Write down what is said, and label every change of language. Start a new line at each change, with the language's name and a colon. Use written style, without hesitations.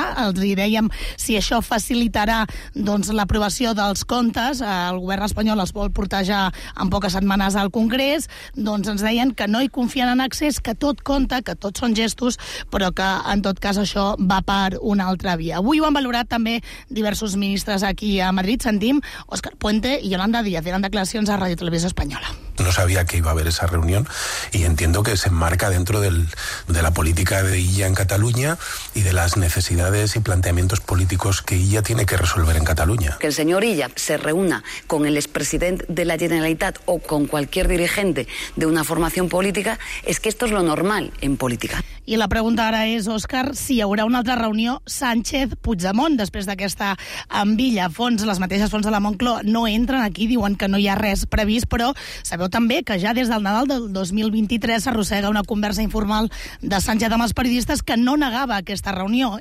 Catalan: els hi dèiem si això facilitarà doncs, l'aprovació dels comptes, el govern espanyol els vol portar ja en poques setmanes al Congrés, doncs ens deien que no hi confien en excés, que tot compta, que tot són gestos, però que en tot cas això va per una altra via. Avui ho han valorat també diversos ministres aquí a Madrid, sentim Òscar Puente i Yolanda Díaz, eren declaracions a Radio Televisió Espanyola.
Spanish: No sabía que iba a haber esa reunión y entiendo que se enmarca dentro de la política de Illa en Cataluña y de las necesidades y planteamientos políticos que Illa tiene que resolver en Cataluña. Que el señor Illa se reúna con el expresidente de la Generalitat o con cualquier dirigente de una formación política es que esto es lo normal en política.
Catalan: I la pregunta ara és, Òscar, si hi haurà una altra reunió Sánchez-Puigdemont després d'aquesta amb Illa. Fons, les mateixes fonts de la Moncloa no entren aquí, diuen que no hi ha res previst, però sabeu també que ja des del Nadal del 2023 s'arrossega una conversa informal de Sánchez amb els periodistes que no negava aquesta reunió.